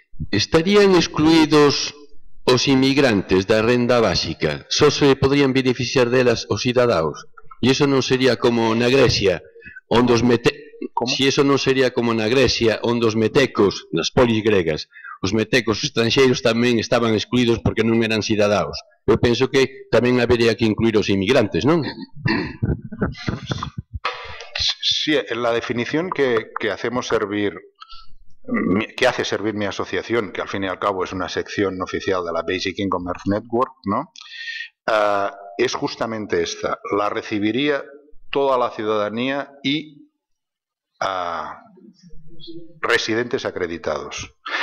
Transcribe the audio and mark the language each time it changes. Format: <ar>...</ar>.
<gl>¿Estarían excluidos os inmigrantes da renda básica? Só se podrían beneficiar delas os cidadãos? E iso non sería como na Grecia onde os metecos, se iso non sería como na Grecia onde os metecos, nas polis gregas, os metecos estranxeiros tamén estaban excluídos porque non eran cidadãos? Eu penso que tamén habería que incluir os inmigrantes, non?</gl> <es>Sí, en la definición que hacemos servir, que hace servir mi asociación, que al fin y al cabo es una sección oficial de la Basic Income Earth Network, ¿no? Es justamente esta. La recibiría toda la ciudadanía y residentes acreditados.</es>